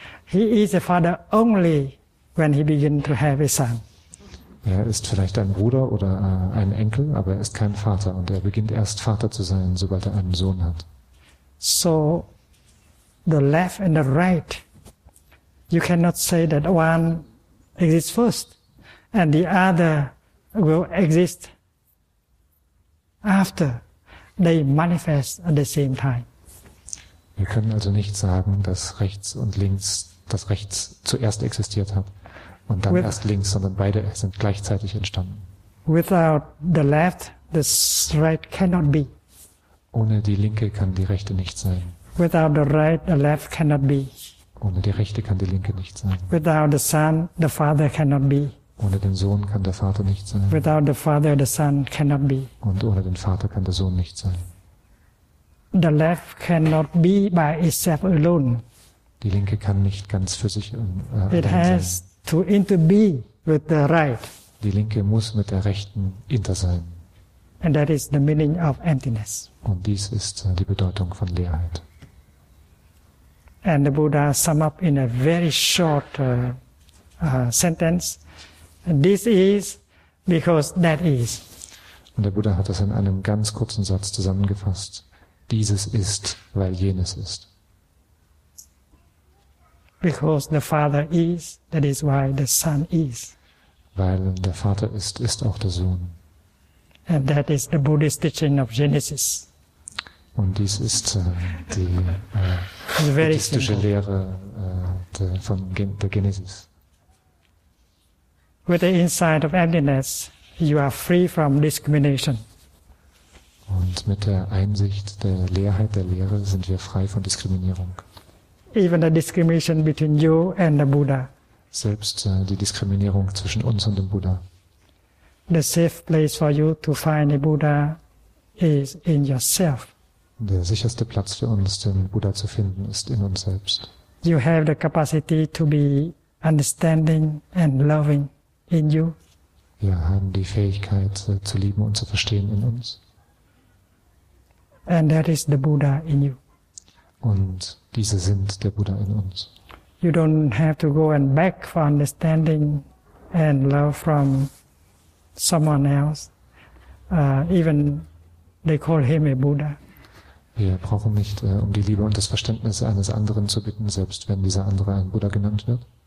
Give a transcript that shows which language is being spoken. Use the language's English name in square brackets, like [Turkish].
[English] He is a father only when he begin to have a son. [German] Er ist vielleicht ein Bruder oder ein Enkel, aber er ist kein Vater und er beginnt erst Vater zu sein, sobald er einen Sohn hat. [English] So, the left and the right, you cannot say that one exists first and the other will exist after. They manifest at the same time. [German] Wir können also nicht sagen, dass rechts und links, dass rechts zuerst existiert hat und dann erst links, sondern beide sind gleichzeitig entstanden. [English] Without the left, the right cannot be. [German] Ohne die linke kann die rechte nicht sein. [English] Without the right, the left cannot be. [German] Ohne die rechte kann die linke nicht sein. [English] Without the son, the father cannot be. [German] Ohne den Sohn kann der Vater nicht sein. [English] Without the father, the son cannot be. [German] Und ohne den Vater kann der Sohn nicht sein. [English] The left cannot be by itself alone. [German] Die linke kann nicht ganz für sich allein sein. [English] It has to interbe with the right. [German] Die linke muss mit der rechten inter sein. [English] And that is the meaning of emptiness. [German] Und dies ist die Bedeutung von Leerheit. [English] And the Buddha sum up in a very short sentence. This is because that is. [German] Und der Buddha hat das in einem ganz kurzen Satz zusammengefasst. Dieses ist, weil jenes ist. [English] Because the father is, that is why the son is. [German] Weil der Vater ist, ist auch der Sohn. [English] And that is the Buddhist teaching of Genesis. [German] Und dies ist die buddhistische Lehre von der Genesis. [English] With the insight of emptiness, you are free from discrimination. [German] Und mit der Einsicht der Leerheit der Leere sind wir frei von Diskriminierung. [English] Even the discrimination between you and the Buddha. [German] Selbst die Diskriminierung zwischen uns und dem Buddha. [English] The safe place for you to find a Buddha is in yourself. [German] Der sicherste Platz für uns, den Buddha zu finden, ist in uns selbst. [English] You have the capacity to be understanding and loving. In you. [German] Wir haben die Fähigkeit zu lieben und zu verstehen in uns. [English] And that is the Buddha in you. [German] Und diese sind der Buddha in uns. [English] You don't have to go and beg for understanding and love from someone else. Even they call him a Buddha. [German] Wir brauchen nicht um die Liebe und das Verständnis eines anderen zu bitten, selbst wenn dieser andere ein Buddha genannt wird.